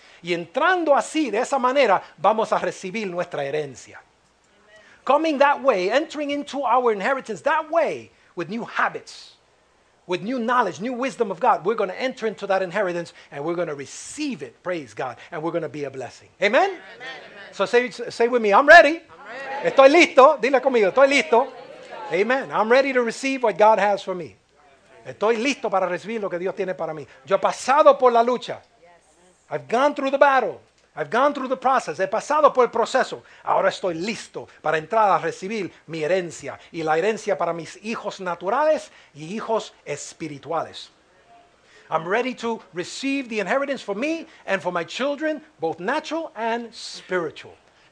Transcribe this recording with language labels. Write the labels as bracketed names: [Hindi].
[Spanish] Y entrando así, de esa manera, vamos a recibir nuestra herencia. Amen. [English] Coming that way, entering into our inheritance that way, with new habits, with new knowledge, new wisdom of God, we're going to enter into that inheritance and we're going to receive it, praise God, and we're going to be a blessing. Amen? Amen. So say with me, I'm ready. I'm ready. [Spanish] Estoy listo. Dile conmigo, estoy listo. Amen. [English] I'm ready to receive what God has for me. [Spanish] Estoy listo para recibir lo que Dios tiene para mí. Yo he pasado por la lucha. [English] Yes. I've gone through the battle. I've gone through the process. [Spanish] He pasado por el proceso. Ahora estoy listo para entrar a recibir mi herencia. Y la herencia para mis hijos naturales y hijos espirituales. [English] I'm ready to receive the inheritance for me and for my children, both natural and spiritual.